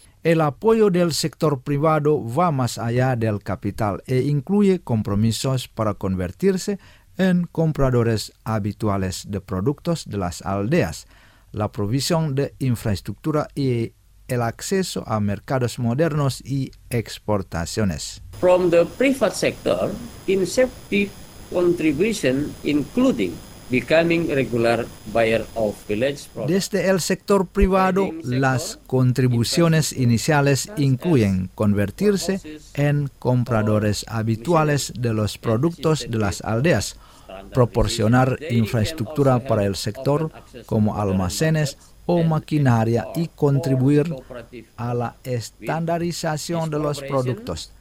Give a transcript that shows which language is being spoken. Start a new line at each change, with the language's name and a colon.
Spanish: el apoyo del sector privado va más allá del capital e incluye compromisos para convertirse en compradores habituales de productos de las aldeas, la provisión de infraestructura y el acceso a mercados modernos y exportaciones.
English: From the private sector, incentive contribution including becoming regular buyer of village products.
Spanish: Desde el sector privado, las contribuciones iniciales incluyen convertirse en compradores habituales de los productos de las aldeas, proporcionar infraestructura para el sector como almacenes o maquinaria y contribuir a la estandarización de los productos.